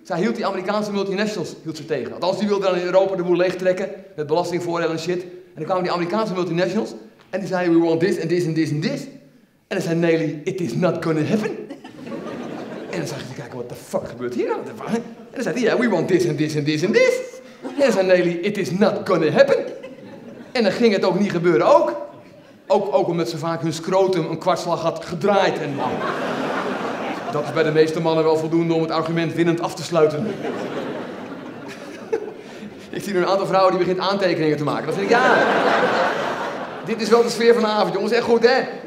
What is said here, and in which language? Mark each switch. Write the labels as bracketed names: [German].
[Dutch] Zij hield die Amerikaanse multinationals hield ze tegen. Want als die wilden dan in Europa de boel leegtrekken, met belastingvoordeel en shit. En dan kwamen die Amerikaanse multinationals. En die zeiden, [English] we want this and this and this and this. [Dutch] En dan zei [English] Nelly, it is not gonna happen. [Dutch] En dan zag je kijken, [English] what the fuck [Dutch] gebeurt hier nou? En dan zei hij, [English] yeah, we want this and this and this and this. [Dutch] En dan zei [English] Nelly, it is not gonna happen. [Dutch] En dan ging het ook niet gebeuren ook. Ook omdat ze vaak hun scrotum een kwartslag had gedraaid. En dat is bij de meeste mannen wel voldoende om het argument winnend af te sluiten. Ik zie nu een aantal vrouwen die begint aantekeningen te maken. Dan zeg ik, ja. Dit is wel de sfeer vanavond, jongens. Echt goed, hè?